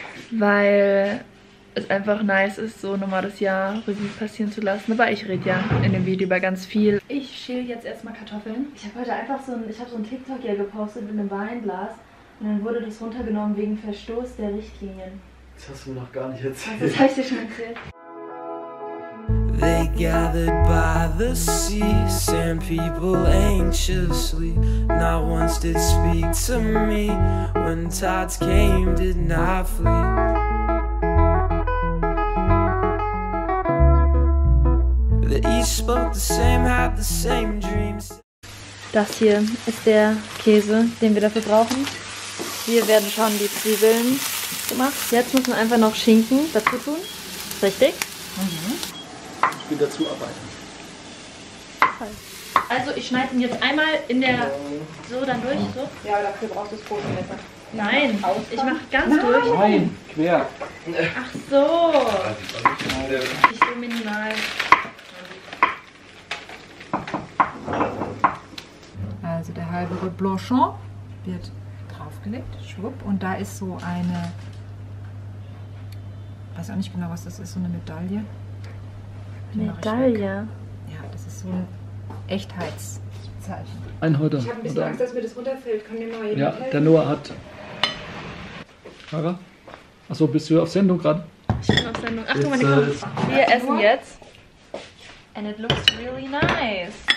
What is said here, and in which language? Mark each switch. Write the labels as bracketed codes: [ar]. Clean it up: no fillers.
[de] Weil es einfach nice ist, so nochmal das Jahr Revue passieren zu lassen. Aber ich rede ja in dem Video über ganz viel. Ich schäle jetzt erstmal Kartoffeln. Ich habe heute einfach so ein TikTok ja gepostet mit einem Weinglas. Und dann wurde das runtergenommen wegen Verstoß der Richtlinien. Das hast du mir noch gar nicht erzählt. Das habe ich dir schon erzählt. [en] They gathered by the sea, sand people anxiously. Not once did speak to me when tides came, did not flee. The east spoke the same, had the same dreams. [de] Das hier ist der Käse, den wir dafür brauchen. Hier werden schon die Zwiebeln gemacht. Jetzt müssen wir einfach noch Schinken dazu tun. Richtig? Mhm. Ich will dazu arbeiten. Also ich schneide ihn jetzt einmal in der so dann durch, so. Ja, dafür brauchst du das Brotmesser. Nein, ich mache ganz durch. Nein, quer. Ach so. Ich so minimal. Also der halbe Blanchon wird draufgelegt, schwupp. Und da ist so eine, weiß auch nicht genau, was das ist, so eine Medaille. Medaille. Ja, das ist so ein Echtheitszeichen. Ein Häuter. Ich habe ein bisschen Angst, dass mir das runterfällt. Kann mir mal jemand helfen? Der Noah hat. Mara? Achso, bist du auf Sendung gerade? Ich bin auf Sendung. Ach, guck mal, die kommt. Wir essen jetzt. [en] And it looks really nice.